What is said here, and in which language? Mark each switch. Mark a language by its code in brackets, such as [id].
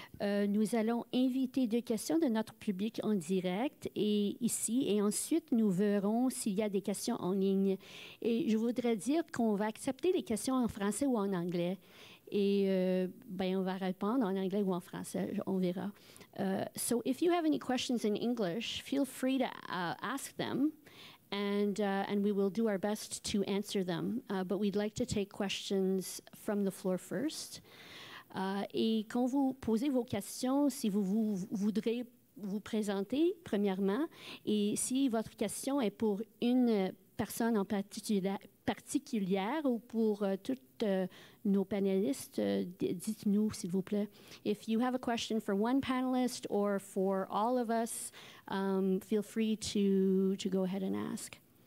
[fr] Nous allons inviter deux questions de notre public en direct et ici, et ensuite nous verrons s'il y a des questions en ligne. Et je voudrais dire qu'on va accepter les questions en français ou en anglais. Et on va répondre en anglais ou en français, on verra. [en] So if you have any questions in English, feel free to ask them. And we will do our best to answer them. But we'd like to take questions from the floor first. [fr] Et quand vous posez vos questions, si vous voudrez vous présenter premièrement, et si votre question est pour une personne en particulière ou pour toutes nos panélistes, dites-nous, s'il vous plaît. [en] If you have a question for one panelist or for all of us, feel free to go ahead and ask.